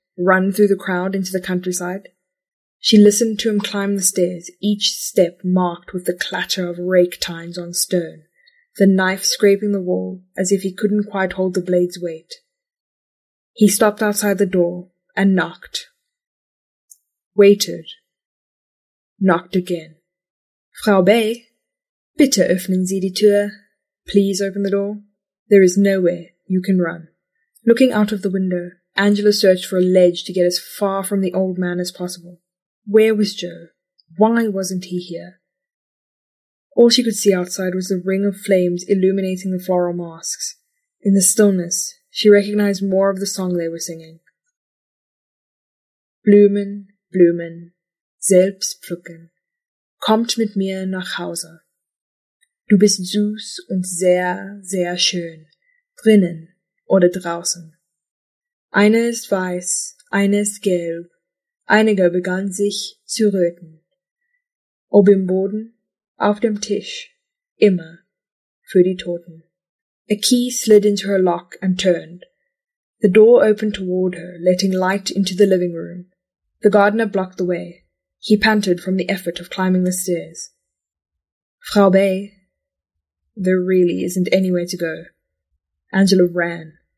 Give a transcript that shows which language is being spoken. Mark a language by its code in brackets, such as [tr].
[en] Run through the crowd into the countryside? She listened to him climb the stairs, each step marked with the clatter of rake tines on stone, the knife scraping the wall as if he couldn't quite hold the blade's weight. He stopped outside the door and knocked. Waited. Knocked again. [de] Frau Bey, bitte öffnen Sie die Tür. [en] Please open the door. There is nowhere you can run. Looking out of the window, Angela searched for a ledge to get as far from the old man as possible. Where was Joe? Why wasn't he here? All she could see outside was the ring of flames illuminating the floral masks. In the stillness, she recognized more of the song they were singing. [de] Blumen, Blumen, selbst pflücken. Kommt mit mir nach Hause. Du bist süß und sehr, sehr schön. Drinnen oder draußen. Eine ist weiß, eine ist gelb. Einige begann sich zu röten. Ob im Boden, auf dem Tisch, immer für die Toten. [en] A key slid into her lock and turned. The door opened toward her, letting light into the living room. The gardener blocked the way. He panted from the effort of climbing the stairs. Frau Bey, there really isn't anywhere to go. Angela ran.